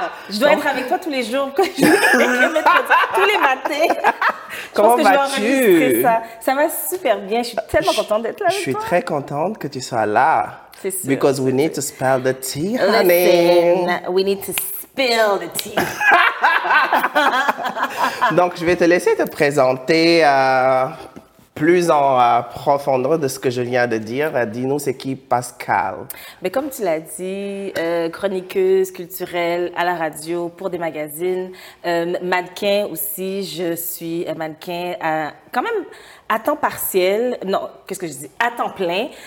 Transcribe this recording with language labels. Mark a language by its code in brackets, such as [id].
[fr] Je dois être avec toi tous les jours, tous les matins. Comment vas-tu? Ça va super bien, je suis tellement contente d'être là. Je suis très contente que tu sois là. C'est sûr. [en] Because we need to spill the tea, honey. Listen, we need to spill the tea. [fr] Donc, je vais te laisser te présenter plus en profondeur de ce que je viens de dire. Dis-nous, c'est qui Pascale? Mais comme tu l'as dit, chroniqueuse culturelle à la radio pour des magazines, mannequin aussi, je suis mannequin à, quand même à temps partiel, non, qu'est-ce que je dis, à temps plein.